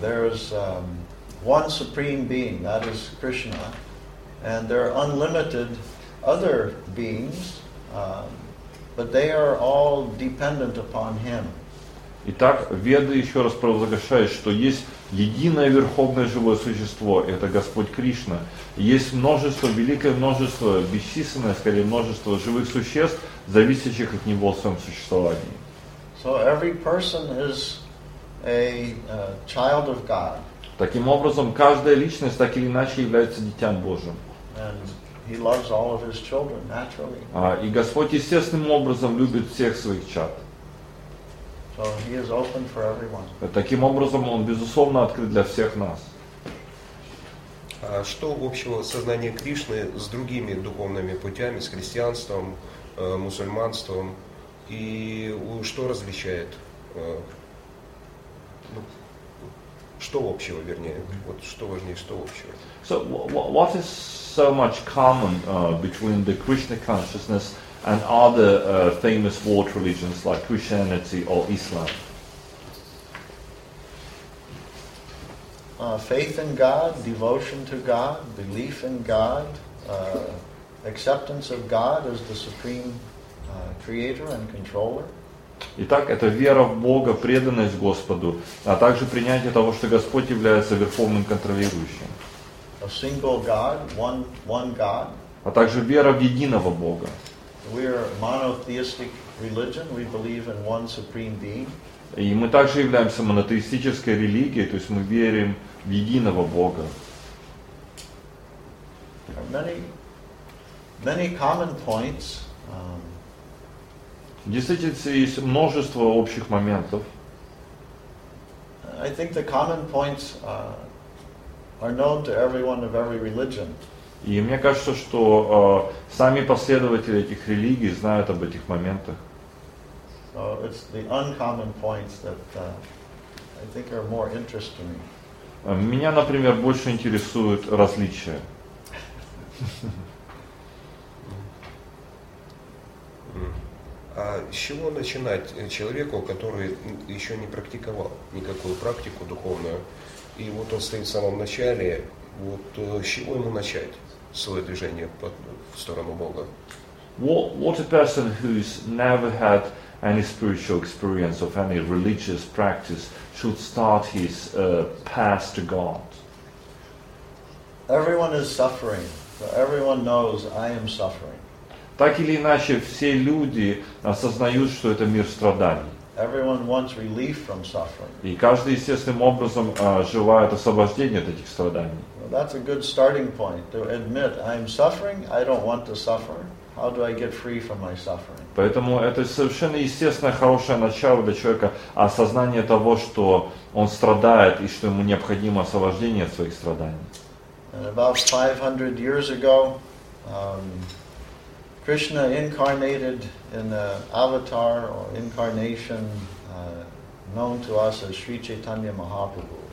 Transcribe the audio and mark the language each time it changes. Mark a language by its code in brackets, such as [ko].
[en] There is one supreme being, that is Krishna. And there are unlimited other beings, but they are all dependent upon Him. [ru] Итак, Веды еще раз провозглашают, что есть единое верховное живое существо, это Господь Кришна. Есть множество, великое множество, бесчисленное, скорее, множество живых существ, зависящих от Него в своем существовании. [en] So every person is a child of God. [ru] Таким образом, каждая личность так или иначе является дитям Божьим. [en] And He loves all of His children, naturally. [ru] И Господь естественным образом любит всех своих чад. [en] So He is open for everyone. [ru] Таким образом, Он, безусловно, открыт для всех нас. А что общего сознания Кришны с другими духовными путями, с христианством, мусульманством, и что различает, что общего, вернее, вот что важнее, что общего? [en] So, what is so much common between the Krishna consciousness and other famous world religions like Christianity or Islam? Faith in God, devotion to God, belief in God, acceptance of God as the supreme creator and controller. [ru] Итак, это вера в Бога, преданность Господу, а также принятие того, что Господь является верховным контролирующим. [en] A single God, one God. [ru] А также вера в единого Бога. [en] We are monotheistic religion. We believe in one supreme being. [ru] И мы также являемся монотеистической религией, то есть мы верим в единого Бога. [en] Many common points. [ru] В действительности есть множество общих моментов. [en] I think the common points are known to everyone of every religion. [ru] И мне кажется, что сами последователи этих религий знают об этих моментах. [en] So it's the uncommon points that I think are more interesting. [ru] Меня, например, больше интересуют различия. А с чего начинать человеку, который еще не практиковал никакую практику духовную, и вот он стоит в самом начале, вот с чего ему начать свое движение в сторону Бога? [en] What a person who's never had any spiritual experience of any religious practice should start his path to God? Everyone is suffering. Everyone knows I am suffering. [ru] Так или иначе, все люди осознают, что это мир страданий. [en] Everyone wants relief from suffering. [ru] И каждый естественным образом желает освобождения от этих страданий. [en] Well, that's a good starting point to admit I'm suffering. I don't want to suffer. How do I get free from my suffering? [ru] Поэтому это совершенно естественное хорошее начало для человека осознание того, что он страдает и что ему необходимо освобождение от своих страданий. [en] And about 500 years ago. Krishna incarnated in an avatar or incarnation known to us as Sri Chaitanya Mahaprabhu.